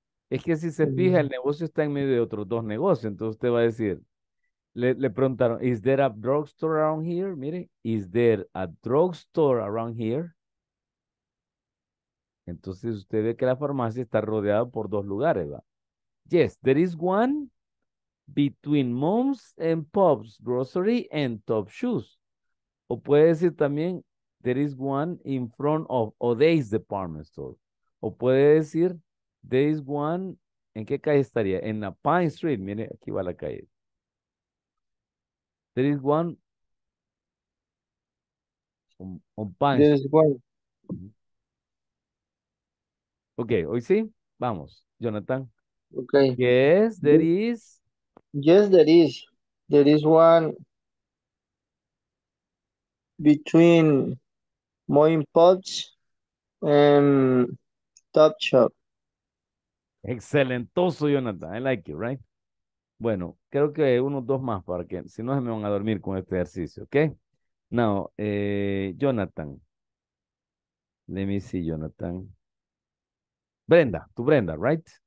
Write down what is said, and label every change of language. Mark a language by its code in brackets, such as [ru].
[es] Es que si se fija, el negocio está en medio de otros dos negocios, entonces usted va a decir. Le preguntaron, [en] is there a drugstore around here? Mire, is there a drugstore around here? [es] Entonces usted ve que la farmacia está rodeada por dos lugares, ¿va? [en] Yes, there is one between Mom's and Pop's Grocery and Top Shoes. [es] O puede decir también, [en] there is one in front of O'Day's Department Store. [es] O puede decir, [en] there is one, [es] ¿en qué calle estaría? En la Pine Street, mire, aquí va la calle. [en] There is one. On Pine Street. There is one. [es] Ok, hoy sí, vamos, Jonathan. Ok. [en] Yes, there is. There is one between Moin Pops and Top Shop. Excelentoso, Jonathan. I like it, right? [es] Bueno, creo que unos dos más para que, si no se me van a dormir con este ejercicio, ¿ok? [en] Now, Jonathan. Let me see, Jonathan. [es] Brenda, tu Brenda, right?